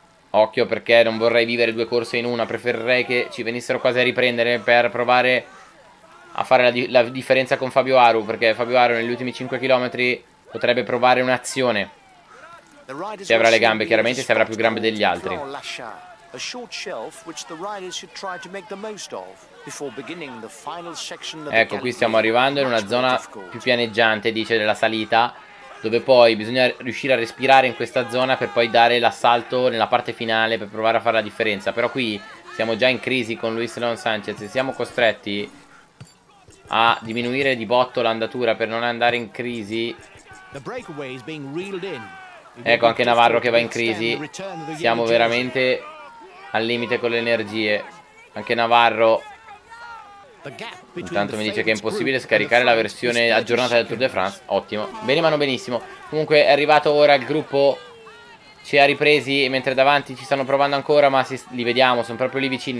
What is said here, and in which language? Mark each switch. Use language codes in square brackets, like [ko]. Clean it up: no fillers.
[it] Occhio perché non vorrei vivere due corse in una. Preferirei che ci venissero quasi a riprendere per provare a fare la differenza con Fabio Aru, perché Fabio Aru negli ultimi 5 km potrebbe provare un'azione. Se avrà le gambe, chiaramente, se avrà più gambe degli altri. [en] A short shelf which the riders should try to make the most of before beginning the final section of the. [it] Ecco, qui stiamo arrivando in una zona più pianeggiante, dice, della salita, dove poi bisogna riuscire a respirare in questa zona per poi dare l'assalto nella parte finale per provare a fare la differenza. Però qui siamo già in crisi con Luis Leon Sanchez e siamo costretti a diminuire di botto l'andatura per non andare in crisi. [en] The breakaway is being reeled in. [it] Ecco anche Navarro che va in crisi. Siamo veramente al limite con le energie. Anche Navarro intanto mi dice che è impossibile scaricare la versione aggiornata del Tour de France. Ottimo, bene, vanno benissimo. Comunque è arrivato ora il gruppo, ci ha ripresi, mentre davanti ci stanno provando ancora, ma li vediamo, sono proprio lì vicini.